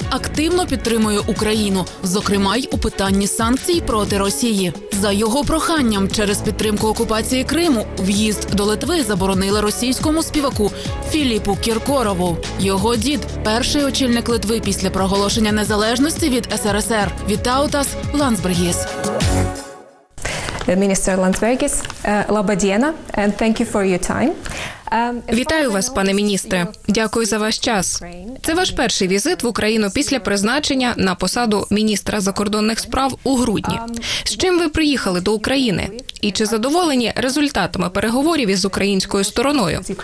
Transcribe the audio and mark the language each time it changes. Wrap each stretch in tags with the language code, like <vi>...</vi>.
<uk>Активно підтримує Україну, зокрема й у питанні санкцій проти Росії. За його проханням, через підтримку окупації Криму, в'їзд до Литви заборонили російському співаку Філіпу Кіркорову. Його дід – перший очільник Литви після проголошення незалежності від СРСР. Вітаутас Ландсбергіс.</uk> <en>Міністр Ландсбергіс, лабадіена, and thank you for your time.</en> <uk>Вітаю вас, пане міністре. Дякую за ваш час. Це ваш перший візит в Україну після призначення на посаду міністра закордонних справ у грудні. З чим ви приїхали до України? І чи задоволені результатами переговорів із українською стороною?</uk>